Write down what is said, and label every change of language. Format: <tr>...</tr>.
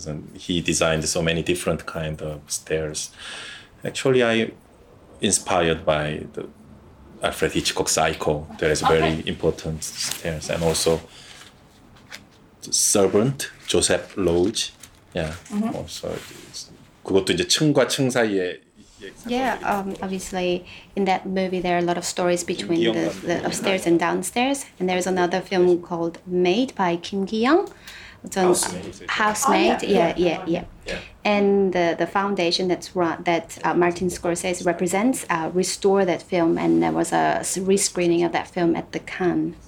<en>And he designed so many different kind of stairs. Actually, I inspired by the Alfred Hitchcock's Psycho. There is very important stairs, and also the servant Joseph Lodge. Also.</en> <ko>그것도 이제 층과 층 사이에</ko> <en>Obviously in that movie there are a lot of stories between the upstairs and downstairs, and there's another film called Maid by Kim Ki-young. It's on Housemaid. And the foundation that Martin Scorsese represents restore that film, and there was a rescreening of that film at the Cannes.</en>